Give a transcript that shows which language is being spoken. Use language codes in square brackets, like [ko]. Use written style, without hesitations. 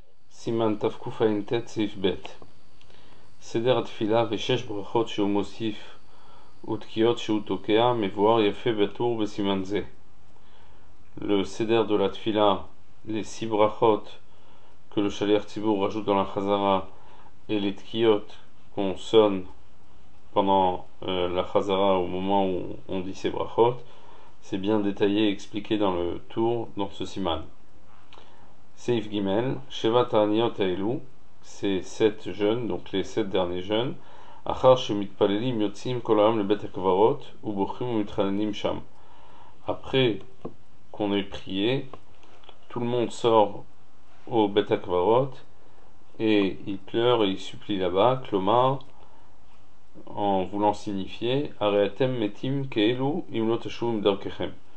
[he] סימן תקנ"ט סעיף ב' סדר התפילה ושש ברכות שהוא מוסיף ותקיעות שהוא תוקע מבואר יפה בטור בסימן זה. [fr] Le סדר de la תפילה, les six ברכות que le שליח ציבור rajoute dans la חזרה et les תקיעות qu'on sonne pendant la חזרה au moment où on dit ces ברכות, c'est bien détaillé et expliqué dans le tour dans ce siman. [he] סעיף ג' שבע תעניות האלו, [fr] c'est sept jeunes, donc les sept derniers jeunes, [he] אחר שמתפללים יוצאים כל היום לבית הקברות ובוכים ומתחננים שם. [fr] Après qu'on ait prié, tout le monde sort au בית הקברות et il pleure et il supplie là-bas, כלומר, en voulant signifier, [he] הרי אתם מתים כאלו אם לא תשובו מדרככם.